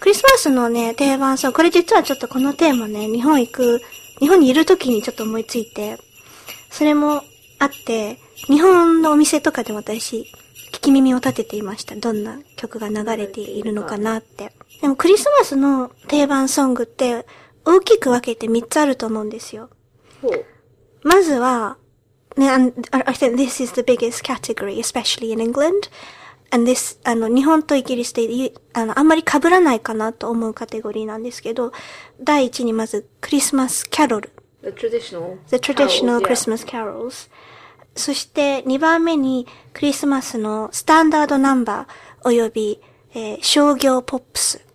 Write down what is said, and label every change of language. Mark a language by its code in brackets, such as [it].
[ja] クリスマスのね、定番ソング。これ実はちょっとこのテーマね、日本にいる時にちょっと思いついて、それもあって、日本のお店とかでも私、聞き耳を立てていました。どんな曲が流れているのかなって。でもクリスマスの定番ソングって大きく分けて3つあると思うんですよ。まずはね、 [en] I think this is the biggest category, especially in England. And this, [ja] 日本とイギリスで、あんまり被らないかなと思うカテゴリーなんですけど、第一にまず、クリスマスキャロル。 [en] The traditional Christmas carols.、Yeah. [ja] そして、二番目に、クリスマスのスタンダードナンバー、および、商業ポップス。